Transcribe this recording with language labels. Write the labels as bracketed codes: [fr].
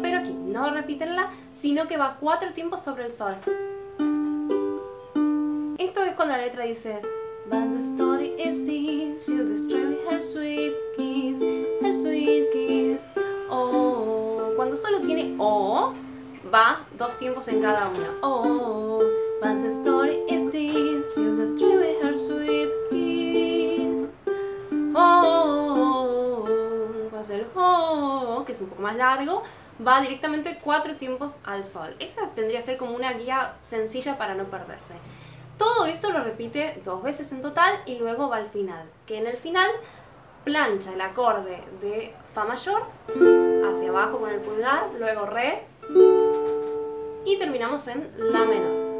[es] Pero aquí no repiten la, sino que va cuatro tiempos sobre el sol. Esto es cuando la letra dice: [en] But the story is this, you destroy her sweet kiss. Her sweet kiss, oh, oh, oh. [es] Cuando solo tiene oh, va dos tiempos en cada una. [en] Oh, oh, oh, but the story is this, you destroy with her sweet kiss. Oh, oh, oh, oh, oh. [es] Va a ser oh, que es un poco más largo, va directamente cuatro tiempos al sol. Esa vendría a ser como una guía sencilla para no perderse. Todo esto lo repite dos veces en total y luego va al final, que en el final plancha el acorde de Fa mayor hacia abajo con el pulgar, luego Re y terminamos en La menor.